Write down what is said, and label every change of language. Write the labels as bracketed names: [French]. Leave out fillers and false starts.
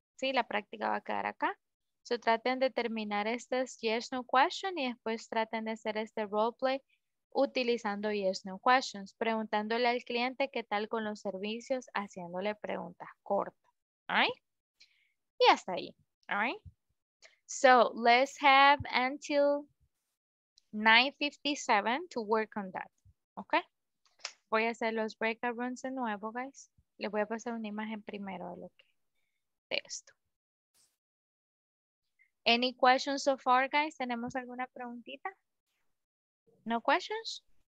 [Spanish] Sí, la práctica va a quedar acá. So traten de terminar estas [English] yes, no questions [Spanish] y después traten de hacer este roleplay utilizando yes, no questions. Preguntándole al cliente qué tal con los servicios, haciéndole preguntas cortas. [English] All right? [Spanish] Y hasta ahí. [English] All right? So let's have until 9:57 to work on that. Okay? [Spanish] Voy a hacer los breakout rooms de nuevo, guys. Le voy a pasar una imagen primero de lo que de esto. [English] Any questions so far, guys? [Spanish] ¿Tenemos alguna preguntita? [English] No questions?